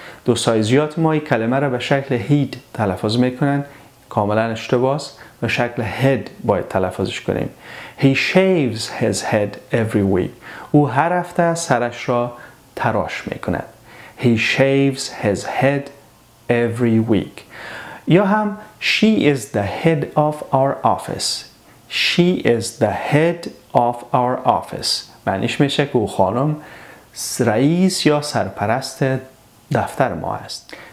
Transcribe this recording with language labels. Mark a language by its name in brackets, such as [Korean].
[Persian] دوستای زیاد ما این کلمه را به شکل هید تلفظ میکنن. کاملا اشتباه است. به شکل هد باید تلفظش کنیم. [English] He shaves his head every week. [Persian] او هر هفته سرش را تراش میکنن. [English] He shaves his head every week. [Persian] یا هم [English] She is the head of our office. She is the head of our office. [Persian] معنیش میشه که او خانم رئیس یا سرپرست دفتر ما است.